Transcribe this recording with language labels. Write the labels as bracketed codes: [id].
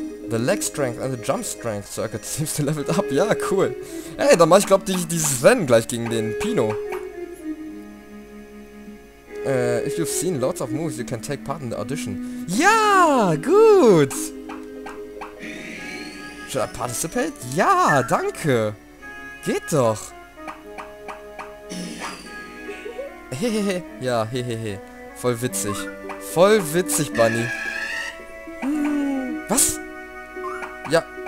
[en] The Leg Strength and the Jump Strength Circuit seems to level up. [de] Ja, cool. Hey, dann mache ich, glaube ich, dieses Rennen gleich gegen den Pino. [en] If you've seen lots of movies, you can take part in the audition. [de] Ja, gut. [en] Should I participate? [de] Ja, danke. Geht doch. Hehehe. Ja, hehehe. Voll witzig. Voll witzig, Bunny. Was? Ja.